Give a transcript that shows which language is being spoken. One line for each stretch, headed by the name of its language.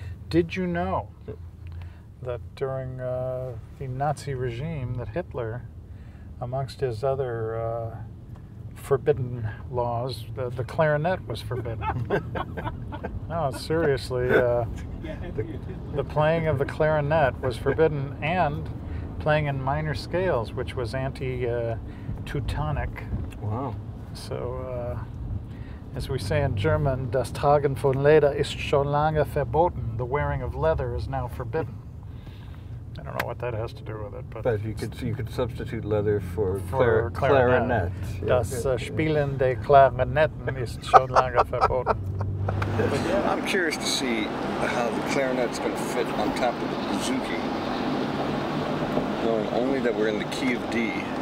English: Did you know that during the Nazi regime, that Hitler, amongst his other forbidden laws, the clarinet was forbidden? No, seriously, the playing of the clarinet was forbidden, and playing in minor scales, which was anti-Teutonic. Wow. So, as we say in German,
German: das Tragen von Leder ist schon lange verboten.
English: The wearing of leather is now forbidden. I don't know what that has to do with it. But you could substitute leather for clarinet. Yeah.
German: Das Spielen der Klarinetten ist schon lange verboten.
English: I'm curious to see how the clarinet's going to fit on top of the bouzouki, knowing only that we're in the key of D.